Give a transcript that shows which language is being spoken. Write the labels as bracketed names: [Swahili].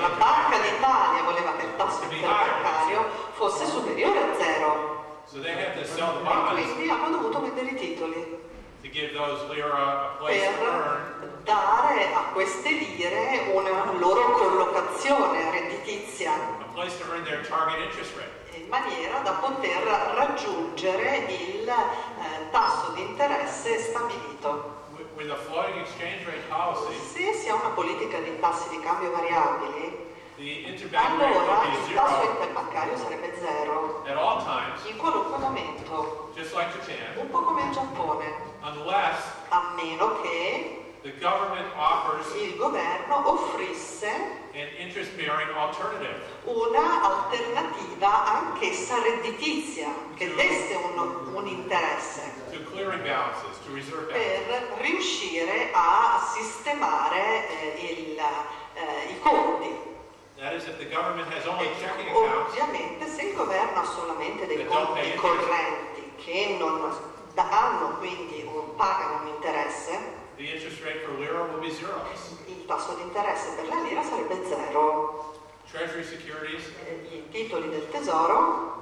[Italian] la Banca d'Italia voleva che il tasso interbancario fosse superiore a zero. [English] So they had to sell the bonds. [Italian] E quindi hanno dovuto vendere i titoli [English] to give those lira a place [Italian] per [English] to earn. [Italian] Dare a queste lire una loro collocazione redditizia [English] a place to earn their target interest rate. [Italian] In maniera da poter raggiungere il tasso di interesse stabilito. [English] With a floating exchange rate policy, [Italian] se si ha una politica di tassi di cambio variabili, [English] the [Italian] allora [English] rate will be [Italian] il tasso interbancario sarebbe zero [English] at all times, [Italian] in qualunque momento, [English] just like Japan, [Italian] un po' come in Giappone, [English] unless, [Italian] a meno che [English] the government offers, [Italian] il governo offrisse [English] an interest-bearing alternative, [Italian] una alternativa anch'essa redditizia che desse un interesse [English] to clearing balances, to reserve [Italian] per [English] balances. [Italian] Riuscire a sistemare i conti. [English] That is if the government has only checking [Italian] ovviamente, se il governo ha solamente dei conti correnti che non hanno quindi un, pagano un interesse, [English] the interest rate for lira will be zero. [Italian] Il tasso di interesse per la lira sarebbe zero. [English] Treasury securities, [Italian] i titoli del tesoro,